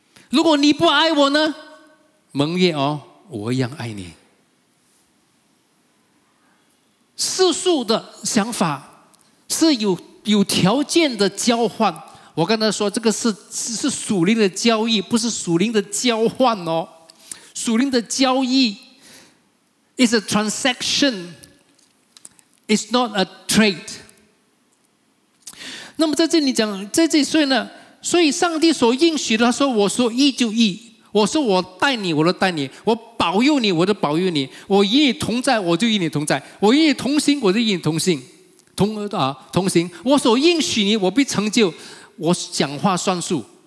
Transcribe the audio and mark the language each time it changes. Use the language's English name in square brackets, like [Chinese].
[Chinese] 如果你不爱我呢？盟约哦，我一样爱你。世俗的想法是有条件的交换。我刚才说这个是属灵的交易，不是属灵的交换哦。 [English] 属灵的交易 is a transaction, it's not a trade. [Chinese] 那么在这里讲，在这里所以呢，所以上帝所应许的，他说我说义就义，我说我带你我都带你，我保佑你我都保佑你，我与你同在我就与你同在，我与你同行我就与你同行 同行，我所应许你我必成就，我讲话算数。